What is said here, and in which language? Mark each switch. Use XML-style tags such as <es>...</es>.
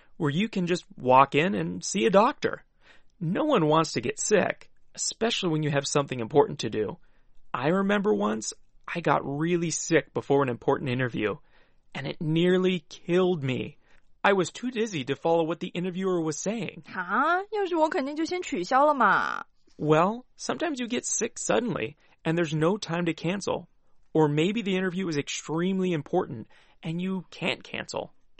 <en>where you can just walk in and see a doctor. No one wants to get sick, especially when you have something important to do. I remember once I got really sick before an important interview, and it nearly killed me. I was too dizzy to follow what the interviewer was saying. 哈?</en> <zh>要是我肯定就先取消了嘛。</zh> <en>Well, sometimes you get sick suddenly, and there's no time to cancel. Or maybe the interview is extremely important, and you can't cancel.</en>